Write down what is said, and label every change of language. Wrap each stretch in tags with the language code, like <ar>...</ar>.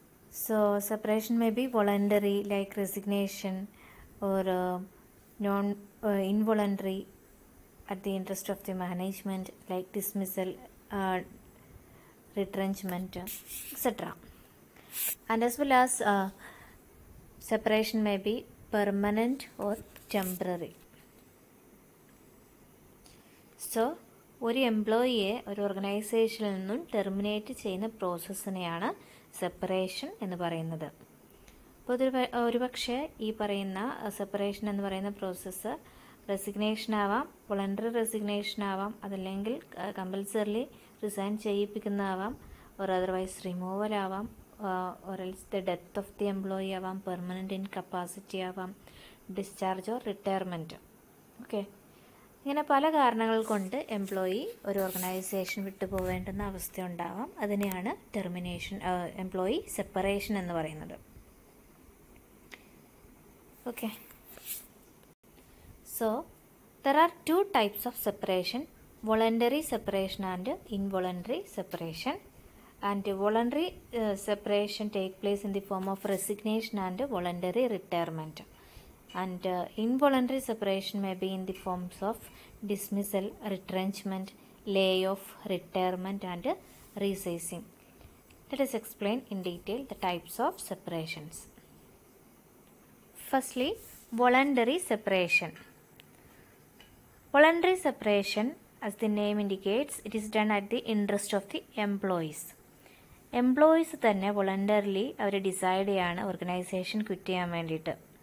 <en>So separation may be voluntary, like resignation, or involuntary at the interest of the management, like dismissal, retrenchment, etc. And as well as separation may be permanent or temporary.</en> <ml>So ഒരു എംപ്ലോയിയെ ഒരു ഓർഗനൈസേഷനിൽ നിന്നും terminate ചെയ്യുന്ന പ്രോസസ്സിനെയാണ് separation എന്ന് പറയുന്നത്. അപ്പോൾ ഒരുപക്ഷെ ഈ പറയുന്ന സെപ്പറേഷൻ എന്ന് പറയുന്ന പ്രോസസ്സ് റെസിഗ്നേഷൻ ആവാം, വളണ്ടറി റെസിഗ്നേഷൻ ആവാം, അതല്ലെങ്കിൽ compulsorily resign ചെയ്യിപ്പിക്കുന്നതാവാം,</ml> <en>or otherwise removal</en> <ml>ആവാം,</ml> <en>or else the death of the employee</en> <ml>ആവാം, പെർമനൻ്റ് ഇൻകപ്പാസിറ്റി ആവാം, ഡിസ്ചാർജ് ഓർ റിട്ടയർമെൻറ്റ്. ഓക്കെ, ഇങ്ങനെ പല കാരണങ്ങൾ കൊണ്ട് എംപ്ലോയി ഒരു ഓർഗനൈസേഷൻ വിട്ടു പോകേണ്ടുന്ന അവസ്ഥയുണ്ടാവാം. അതിനെയാണ് ടെർമിനേഷൻ, എംപ്ലോയി സെപ്പറേഷൻ എന്ന് പറയുന്നത്.</ml> <en>Okay, so there are two types of separation, voluntary separation and involuntary separation. And voluntary separation take place in the form of resignation and voluntary retirement. And involuntary separation may be in the forms of dismissal, retrenchment, layoff, retirement and resizing. Let us explain in detail the types of separations. Firstly, voluntary separation. Voluntary separation, as the name indicates, it is done at the interest of the employees.</en> <ml>Employees തന്നെ voluntarily അവർ decide ചെയ്യാണ് organisation quit ചെയ്യാൻ വേണ്ടിയിട്ട്.</ml>